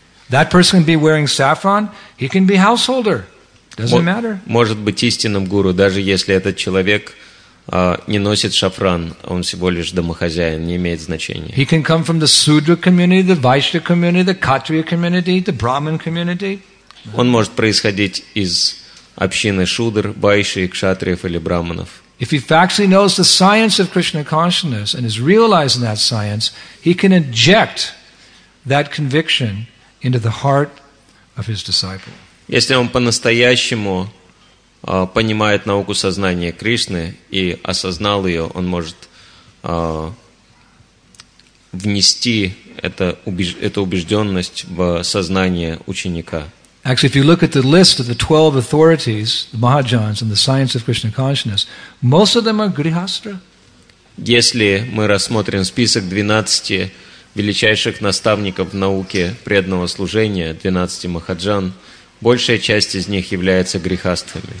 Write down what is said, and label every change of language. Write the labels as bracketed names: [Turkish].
[English] That person can be wearing saffron, he can be householder. Doesn't matter. [Russian] Может быть истинным гуру, даже если этот человек не носит шафран, он всего лишь домохозяин, не имеет значения. [English] He can come from the Sudra community, the Vaishya community, the Kshatriya community, the Brahmin community. [Russian] Он может происходить из общины шудр, вайши, кшатриев или брахманов. [English] If he actually knows the science of Krishna consciousness and is realizing that science, he can inject that conviction into the heart of his disciple. [Russian] Если он по-настоящему понимает науку сознания Кришны и осознал ее, он может внести эту убежденность в сознание ученика. [English] Actually, if you look at the list of the 12 authorities, the Mahajans, and the science of Krishna consciousness, most of them are Grihastra. [Russian] Если мы рассмотрим список 12 величайших наставников в науке преданного служения, 12 Махаджан, большая часть из них является грихастрами.